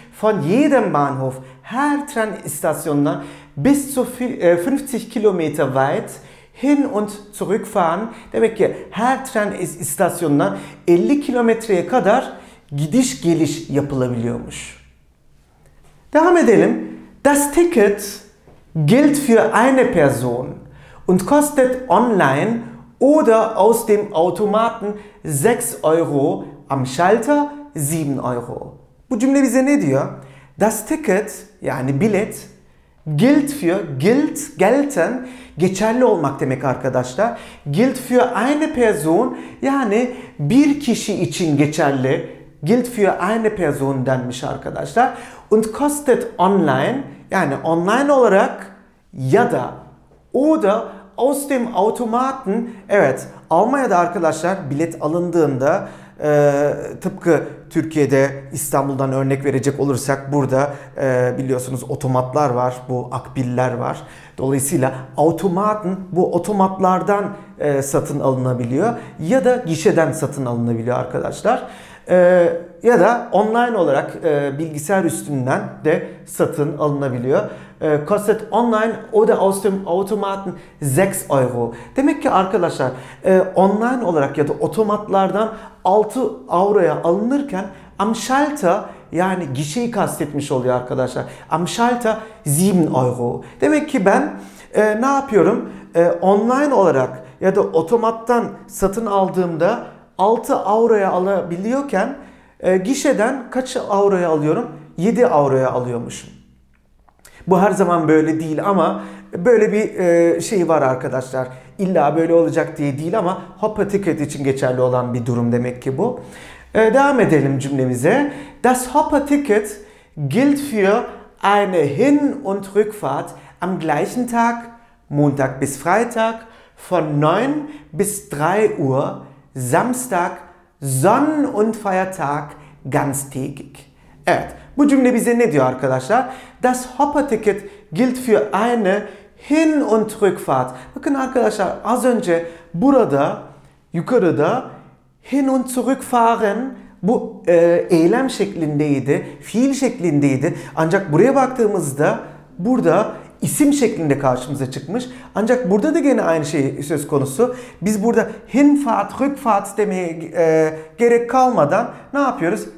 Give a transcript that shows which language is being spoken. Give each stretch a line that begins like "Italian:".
German: Von jedem Bahnhof,
Turkish: her tren istasyonuna
German: bis zu 50 kilometer weit hin und zurückfahren,
Turkish: demek ki her tren istasyonuna 50 kilometreye kadar gidiş geliş yapılabiliyormuş. Devam edelim.
German: Das Ticket gilt für eine Person und kostet online oder aus dem Automaten 6 Euro, am Schalter 7 Euro.
Turkish: Bu cümle bize ne diyor? Das Ticket, yani bilet, gilt für, gilt, gelten, geçerli olmak demek arkadaşlar.
German: Gilt für eine Person,
Turkish: yani bir kişi için geçerli.
German: Gilt für eine Person denmiş arkadaşlar. Und kostet online,
Turkish: yani online olarak ya da
German: oder aus dem Automaten,
Turkish: evet, Almanya'da arkadaşlar bilet alındığında tıpkı Türkiye'de İstanbul'dan örnek verecek olursak burada biliyorsunuz otomatlar var, bu akbiller var. Dolayısıyla otomatın bu otomatlardan satın alınabiliyor ya da gişeden satın alınabiliyor arkadaşlar. Ya da online olarak bilgisayar üstünden de satın alınabiliyor.
German: Kostet online oder aus dem Automaten 6 Euro.
Turkish: Demek ki arkadaşlar online olarak ya da otomatlardan 6 Euro'ya alınırken
German: am Schalter,
Turkish: yani gişeyi kastetmiş oluyor arkadaşlar.
German: Am Schalter 7 Euro.
Turkish: Demek ki ben ne yapıyorum? Online olarak ya da otomattan satın aldığımda 6 Euro'ya alabiliyorken gişeden kaç Euro'ya alıyorum? 7 Euro'ya alıyormuşum. Bu her zaman böyle değil ama böyle bir şey var arkadaşlar. İlla böyle olacak diye değil ama Hoppe Ticket için geçerli olan bir durum demek ki bu. Devam edelim cümlemize.
German: Das Hoppe Ticket gilt für eine Hin- und Rückfahrt am gleichen Tag, Montag bis Freitag, von 9 bis 3 Uhr, Samstag, Sonn- und Feiertag, ganztägig.
Turkish: Evet. Bu cümle bize ne diyor arkadaşlar?
German: Das Hoppe-Ticket gilt für eine Hin- und Rückfahrt.
Turkish: Bakın arkadaşlar az önce burada yukarıda Hin- und Rückfahren bu eylem şeklindeydi, fiil şeklindeydi. Ancak buraya baktığımızda burada isim şeklinde karşımıza çıkmış. Ancak burada da gene aynı şey söz konusu. Biz burada Hinfahrt, Rückfahrt demeye gerek kalmadan ne yapıyoruz?